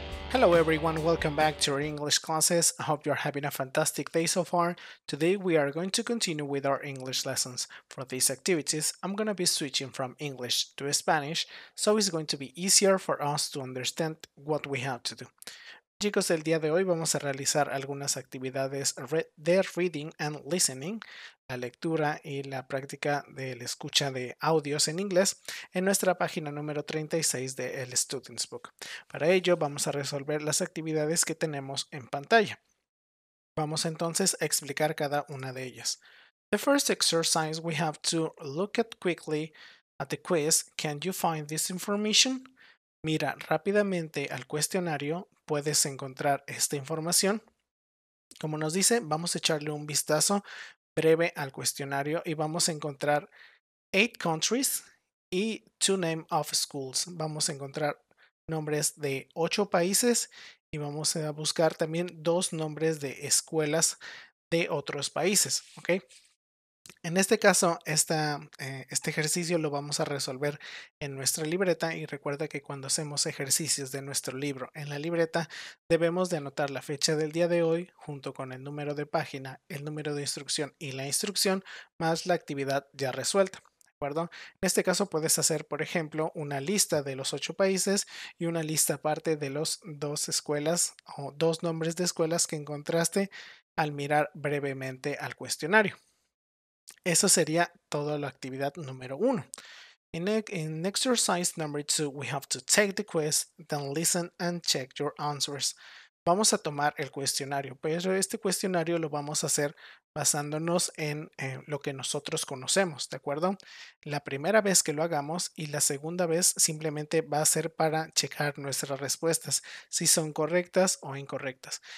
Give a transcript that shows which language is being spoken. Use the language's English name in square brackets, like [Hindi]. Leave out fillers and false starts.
[English] Hello everyone, welcome back to our English classes. I hope you're having a fantastic day so far. Today we are going to continue with our English lessons. For these activities, I'm going to be switching from English to Spanish, so it's going to be easier for us to understand what we have to do. [Spanish] Chicos, el día de hoy vamos a realizar algunas actividades de [English] reading and listening, [Spanish] la lectura y la práctica de la escucha de audios en inglés, en nuestra página número 36 de el Students Book. Para ello, vamos a resolver las actividades que tenemos en pantalla. Vamos entonces a explicar cada una de ellas. [English] The first exercise we have to look at quickly at the quiz. Can you find this information? [Spanish] Mira rápidamente al cuestionario, puedes encontrar esta información. Como nos dice, vamos a echarle un vistazo breve al cuestionario y vamos a encontrar 8 [English] countries [Spanish] y 2 [English] names of schools. [Spanish] Vamos a encontrar nombres de 8 países y vamos a buscar también 2 nombres de escuelas de otros países. ¿Okay? En este caso, este ejercicio lo vamos a resolver en nuestra libreta y recuerda que cuando hacemos ejercicios de nuestro libro en la libreta, debemos de anotar la fecha del día de hoy junto con el número de página, el número de instrucción y la instrucción más la actividad ya resuelta. ¿De acuerdo? En este caso puedes hacer, por ejemplo, una lista de los 8 países y una lista aparte de los 2 escuelas o 2 nombres de escuelas que encontraste al mirar brevemente al cuestionario. Eso sería toda la actividad número 1. [English] In exercise number 2, we have to take the quiz, then listen and check your answers. [Spanish] Vamos a tomar el cuestionario, pero este cuestionario lo vamos a hacer basándonos en lo que nosotros conocemos, ¿de acuerdo? La primera vez que lo hagamos y la segunda vez simplemente va a ser para checar nuestras respuestas, si son correctas o incorrectas.